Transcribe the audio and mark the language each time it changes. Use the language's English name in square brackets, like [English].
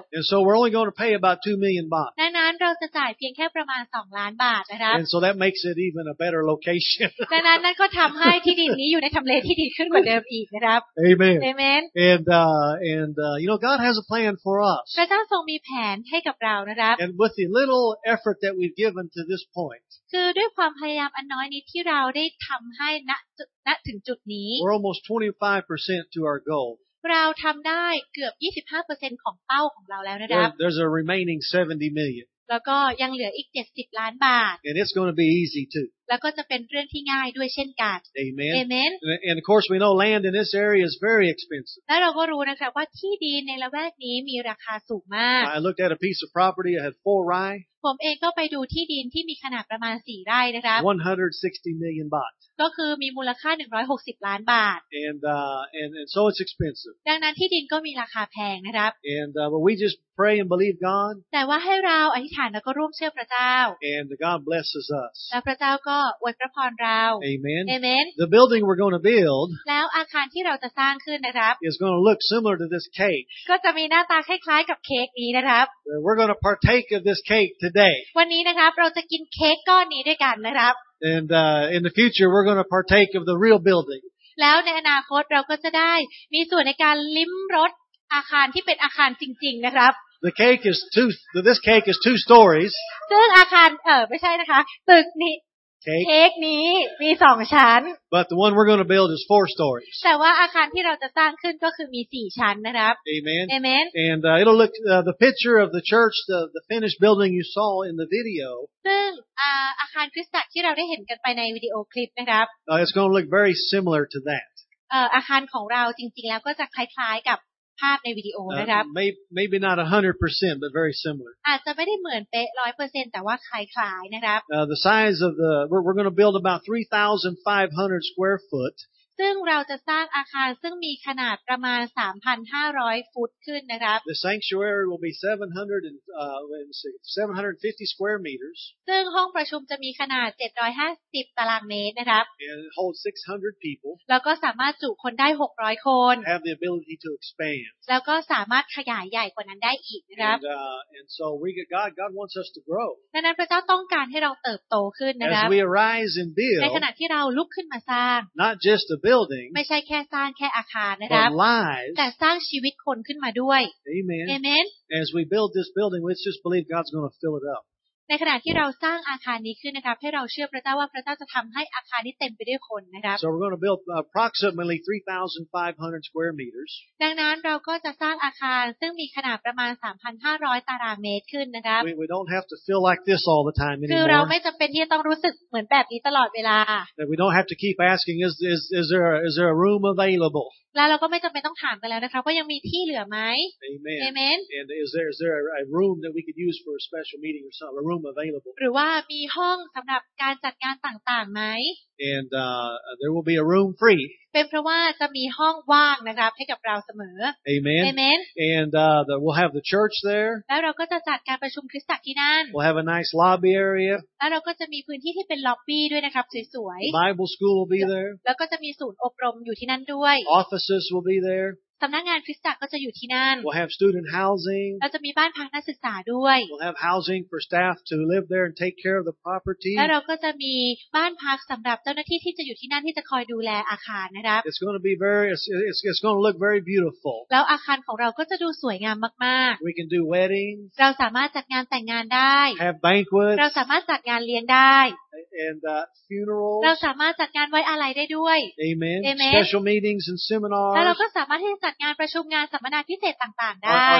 [English] And so we're only going to pay about 2 million baht. [Thai] ดังนั้นเราจะจ่ายเพียงแค่ประมาณ2ล้านบาทนะครับ [English] And so that makes it even a better location. [Thai] ดังนั้นนั่นก็ทำให้ที่ดินนี้อยู่ในทำเลที่ดีขึ้นกว่าเดิมอีกนะครับ [English] Amen. Amen. And you know God has a plan for us. [Thai] พระเจ้าทรงมีแผนให้กับเรานะครับ [English] And with the little effort that we've given to this point. [Thai] คือด้วยความพยายามอันน้อยนิดที่เราได้ทำให้ณถึงจุดนี้ [English] We're almost 25% to our goal. [Thai] เราทำได้เกือบ 25% ของเป้าของเราแล้วนะครับ [English] There's a remaining 70 million [Thai] แล้วก็ยังเหลืออีก70ล้านบาท [English] And it's going to be easy too [Thai] แล้วก็จะเป็นเรื่องที่ง่ายด้วยเช่นกัน [English] Amen Amen And of course we know land in this area is very expensive [Thai] แล้วเราก็รู้นะครับว่าที่ดินในละแวกนี้มีราคาสูงมาก [English] I looked at a piece of property that had 4 rai [Thai] ผมเองก็ไปดูที่ดินที่มีขนาดประมาณ4ไร่นะครับ [English] 160 million baht [Thai] ก็คือมีมูลค่า160ล้านบาท [English] and so it's expensive [Thai] ดังนั้นที่ดินก็มีราคาแพงนะครับ [English] and we just pray and believe God [Thai] แต่ว่าให้เราอธิษฐานแล้วก็ร่วมเชื่อพระเจ้า [English] and God blesses us [Thai] และพระเจ้าก็อวยพรเรา [English] amen amen the building we're going to build [Thai] แล้วอาคารที่เราจะสร้างขึ้นนะครับ [English] is going to look similar to this cake [Thai] ก็จะมีหน้าตาคล้ายๆกับเค้กนี้นะครับ [English] we're going to partake of this cake today [Thai] วันนี้นะครับเราจะกินเค้กก้อนนี้ด้วยกันนะครับ [English] And in the future we're going to partake of the real building. [Thai] แล้วในอนาคตเราก็จะได้มีส่วนในการลิ้มรสอาคารที่เป็นอาคารจริงๆนะครับ [English] The cake is this cake is two stories. [Thai] ซึ่งอาคารไม่ใช่นะคะตึกนี้ [English] cake. [Thai] เค้กนี้มี2ชั้น [English] But the one we're going to build is 4 stories. [Thai] แต่ว่าอาคารที่เราจะสร้างขึ้นก็คือมี4ชั้นนะครับ [English] Amen. Amen. And it'll look the picture of the church the finished building you saw in the video. [Thai] ซึ่งอาคารคริสตจักรที่เราได้เห็นกันไปในวิดีโอคลิปนะครับ [English] It's going to look very similar to that [Thai] อาคารของเราจริงๆแล้วก็จะคล้ายๆกับ ภาพในวิดีโอนะครับ [English] maybe not 100% but very similar [Thai] อาจจะไม่ได้เหมือนเป๊ะ 100% แต่ว่าคล้ายๆนะครับ [English] the size of the we're going to build about 3,500 square foot [Thai] ซึ่งเราจะสร้างอาคารซึ่งมีขนาดประมาณ 3,500 ฟุตขึ้นนะครับ [English] the sanctuary will be 750 square meters [Thai] ซึ่งห้องประชุมจะมีขนาด750ตารางเมตรนะครับ [English] and hold 600 people [Thai] แล้วก็สามารถจุคนได้600คน [English] have the ability to expand [Thai] แล้วก็สามารถขยายใหญ่กว่านั้นได้อีกนะครับ [English] and so we get God wants us to grow [Thai] ดังนั้นพระเจ้าต้องการให้เราเติบโตขึ้นนะครับ [English] as we arise and build [Thai] ในขณะที่เราลุกขึ้นมาสร้าง [English] not justthe building [Thai] ไม่ใช่แค่สร้างแค่อาคารนะครับ [English] lives, [Thai] แต่สร้างชีวิตคนขึ้นมาด้วย [English] Amen. Amen As we build this building let's just believe God's going to fill it up [Thai] ในขณะที่เราสร้างอาคารนี้ขึ้นนะครับให้เราเชื่อพระเจ้าว่าพระเจ้าจะทําให้อาคารนี้เต็มไปด้วยคนนะครับ [English] So we're going to build approximately 3500 square meters [Thai] ดังนั้นเราก็จะสร้างอาคารซึ่งมีขนาดประมาณ 3,500 ตารางเมตรขึ้นนะครับ [English] We don't have to feel like this all the time anymore [Thai] คือเราไม่จําเป็นที่จะต้องรู้สึกเหมือนแบบนี้ตลอดเวลา [English] That we don't have to keep asking is there a room available [Thai] แล้วเราก็ไม่จําเป็นต้องถามกันแล้วนะครับว่ายังมีที่เหลือมั้ย [English] Amen And is there a room that we could use for a special meeting or something [Thai] หรือว่ามีห้องสำหรับการจัดงานต่างๆไหม [English] And there will be a room free [Thai] เป็นเพราะว่าจะมีห้องว่างนะครับให้กับเราเสมอ [English] Amen Amen And we'll have the church there [Thai] แล้วเราก็จะจัดการประชุมคริสตจักรที่นั่น [English] We'll have a nice lobby area [Thai] แล้วเราก็จะมีพื้นที่ที่เป็นล็อบบี้ด้วยนะครับสวย [English] ๆ Bible school will be there [Thai] แล้วก็จะมีศูนย์อบรมอยู่ที่นั่นด้วย [English] Offices will be there [Thai] สำนักงานคริสตจักรก็จะอยู่ที่นั่น [English] We'll have student housing [Thai] เราจะมีบ้านพักนักศึกษาด้วย [English] We'll have housing for staff to live there and take care of the property [Thai] แล้วเราก็จะมีบ้านพักสำหรับเจ้าหน้าที่ที่จะอยู่ที่นั่นที่จะคอยดูแลอาคารนะครับ [English] It's going to be very it's going to look very beautiful [Thai] แล้วอาคารของเราก็จะดูสวยงามมาก [English] ๆ We can do weddings [Thai] เราสามารถจัดงานแต่งงานได้ [English] Have banquets [Thai] เราสามารถจัดงานเลี้ยงได้ [English] And funerals [Thai] เราสามารถจัดงานไว้อาลัยได้ด้วย [English] Amen. Amen Special meetings and seminars [Thai] แล้วเราก็สามารถที่จะจัดงานประชุมงานสัมมนาพิเศษต่างๆได้